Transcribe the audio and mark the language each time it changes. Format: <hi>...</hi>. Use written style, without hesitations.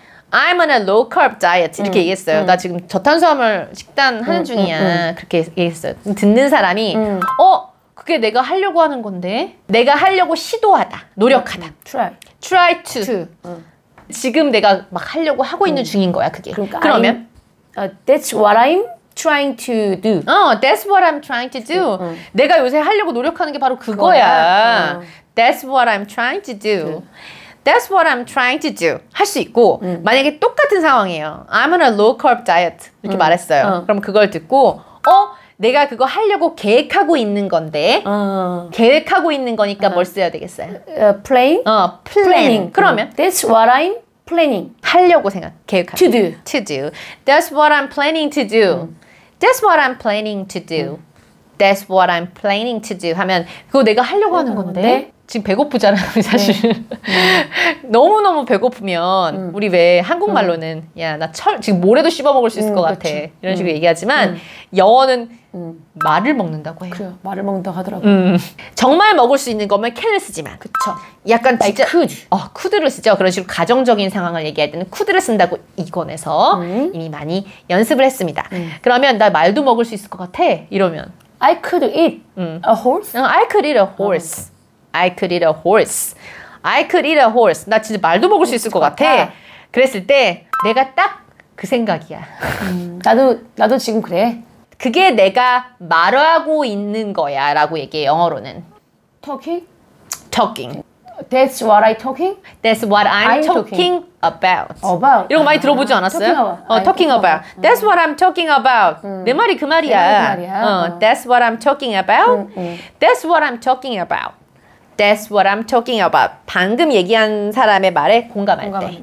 <en>I'm on a low carb diet.</en> <ko>이렇게 얘기했어요. 나 지금 저탄수화물 식단 하는 중이야. 그렇게 얘기했어요. 듣는 사람이 어? 그게 내가 하려고 하는 건데 내가 하려고 시도하다 노력하다</ko> <en>try to</en> <ko>지금 내가 막 하려고 하고 있는 중인 거야 그게 그러니까 그러면</ko> <en>that's what I'm trying to do that's what I'm trying to do</en> <ko>내가 요새 하려고 노력하는 게 바로 그거야</ko> <en>that's what I'm trying to do that's what I'm trying to do</en> <ko>할 수 있고 만약에 똑같은 상황이에요</ko> <en>I'm on a low carb diet</en> <ko>이렇게 말했어요 그럼 그걸 듣고 어? 내가 그거 하려고 계획하고 있는 건데 계획하고 있는 거니까 뭘 써야 되겠어요?</ko> <en>Plan? Planning</en> <ko>그러면?</ko> <en>That's what I'm planning</en> <ko>하려고 생각, 계획하고</ko> <en>To do To do That's what I'm planning to do</en> <ko>That's what I'm planning to do That's what I'm planning to do 하면 그거 내가 하려고 하는 건데 지금 배고프잖아 우리 사실 너무너무 배고프면 우리 왜 한국말로는 야 나 철 지금 모래도 씹어먹을 수 있을 것 같아 그렇지. 이런 식으로 얘기하지만 영어는 말을 먹는다고 해요 그래요 말을 먹는다고 하더라고요 정말 먹을 수 있는 거면 can을 쓰지만 그쵸 약간 진짜</ko> <en>could</en> <ko>could를 쓰죠 그런 식으로 가정적인 상황을 얘기할 때는 could를 쓴다고 이건에서 이미 많이 연습을 했습니다 그러면 나 말도 먹을 수 있을 것 같아 이러면</ko> <en>I could eat a horse I could eat a horse I could eat a horse. I could eat a horse.</en> <ko>나 진짜 말도 먹을 수 있을 것 같아. 그랬을 때 내가 딱 그 생각이야. 나도 지금 그래. 그게 내가 말하고 있는 거야 라고 얘기해 영어로는.</ko> <en>Talking? Talking. That's what I'm talking? That's what I'm talking about. About. 이런 거 많이 들어보지 않았어요? Talking about. That's what I'm talking about.</en> <ko>내 말이 그 말이야. 내 말이 그 말이야.</ko> <en>That's what I'm talking about. That's what I'm talking about. That's what I'm talking about.</en> <ko>방금 얘기한 사람의 말에 공감할 때.</ko>